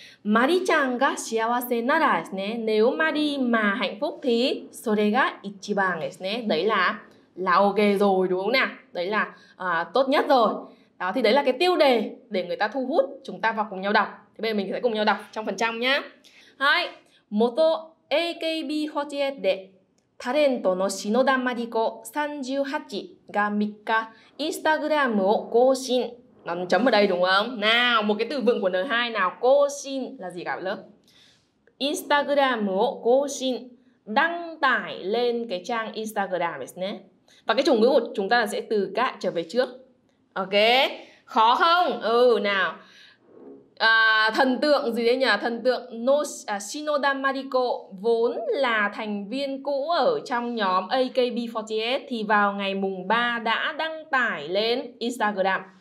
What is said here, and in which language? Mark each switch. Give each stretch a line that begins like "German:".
Japanese: Mari-chan ga shiawase nara desu ne.
Vietnamese: Nếu Mari mà hạnh phúc thì
Japanese: sore ga ichiban desu ne.
Vietnamese: Đấy là ok rồi, đúng không nè? Đấy là tốt nhất rồi. Đó, thì đấy là cái tiêu đề để người ta thu hút chúng ta vào cùng nhau đọc. Thì bây giờ mình sẽ cùng nhau đọc trong phần trong nhá.
Japanese: Hai, Moto AKB48 de タレントの篠田麻里子38が3日インスタグラムを更新。何ちゃむだい、đúng không?
Vietnamese: Nào, một cái từ vựng của N2 nào, 更新 là gì cả lớp?
Japanese: インスタグラムを更新,
Vietnamese: đăng tải lên cái trang Instagram
Japanese: ですね.
Vietnamese: Và cái chủ ngữ của chúng ta sẽ từ cả trở về trước. Ok, khó không? Ừ, nào. Thần tượng gì đấy nhỉ? Thần tượng Shinoda Mariko vốn là thành viên cũ ở trong nhóm AKB48 thì vào ngày mùng 3 đã đăng tải lên Instagram.